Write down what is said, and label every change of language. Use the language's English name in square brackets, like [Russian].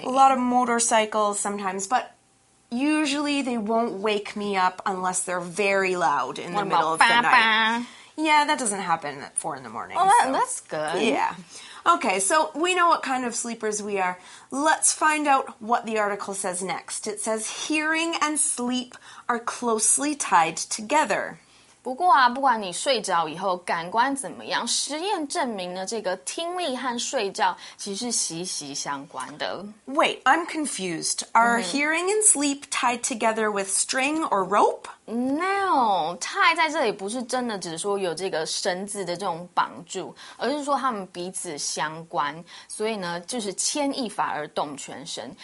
[English] A lot of motorcycles sometimes, but usually they won't wake me up unless they're very loud in the middle of the night. Yeah, that doesn't happen at 4 in the morning. Well, that's good. Yeah. Okay, so we know what kind of sleepers we are. Let's find out what the article says next. It says, hearing and sleep are closely tied together. [Chinese] 不过啊，不管你睡着以后感官怎么样，实验证明呢，这个听力和睡觉其实是息息相关的。 [English] Wait, I'm confused. Are hearing and sleep tied together with string or rope? No, [Chinese] tie 在这里不是真的只说有这个绳子的这种绑住，而是说他们彼此相关，所以呢，就是牵一发而动全身。